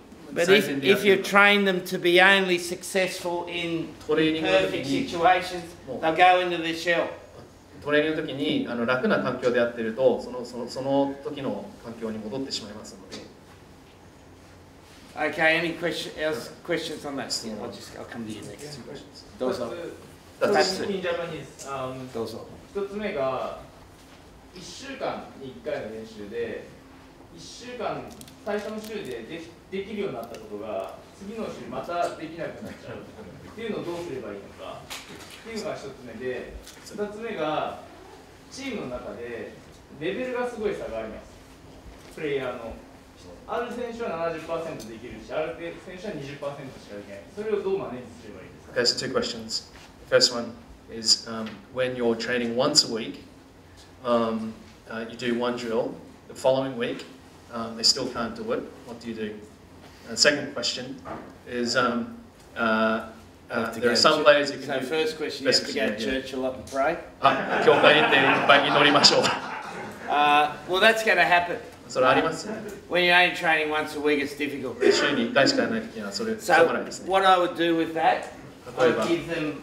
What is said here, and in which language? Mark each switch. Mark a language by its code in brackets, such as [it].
[en] But if you train them to be only successful in perfect situations, they'll go into their shell. [ja] トレーニングの時に楽な環境でやってると、その時の環境に戻ってしまいますので。 [en] Okay, any questions on that? I'll come to you next. [ja] どうぞ。 1週間に1回の練習で、1週間、最初の週で できるようになったことが、次の週またできなくなっちゃうっていうのをどうすればいいのかっていうのが1つ目で、2つ目が、チームの中でレベルがすごい差があります、プレイヤーの。ある選手は 70% できるし、ある選手は 20% しかできない。それをどうマネージすればいいですか [en] ？Okay, so two questions. The first one is, when you're training once a week,you do one drill, the following week, they still can't do it, what do you do? Second question is, there are some players you can do... So first question, you have to go to church a lot and pray. [ja] 教会に行って、いっぱい祈りましょう。 [en] Well, that's going to happen. [ja] それありますね。 [en] When you're only training once a week, it's difficult. [ja] 週に1回しかないときには、それ、しょうがないですね。 [en] So, what I would do with that, I'd give them...